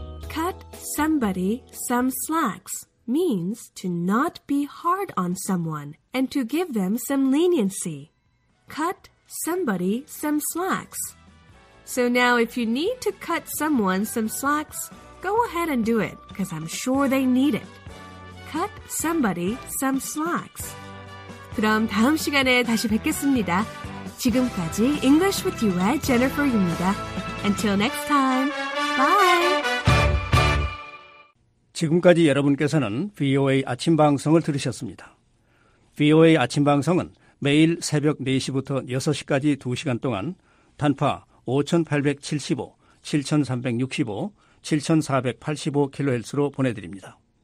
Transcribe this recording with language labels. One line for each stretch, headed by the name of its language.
English: Cut somebody some slacks means to not be hard on someone and to give them some leniency. Cut somebody some slacks. So now if you need to cut someone some slacks, go ahead and do it, because I'm sure they need it. Cut somebody some slacks.
Korean: 그럼 다음 시간에 다시 뵙겠습니다. 지금까지 English with You의 Jennifer입니다.
English: Until next time, bye!
Korean: 지금까지 여러분께서는 VOA 아침 방송을 들으셨습니다. VOA 아침 방송은 매일 새벽 4시부터 6시까지 2시간 동안 단파 5,875, 7,365, 7485kHz로 보내드립니다.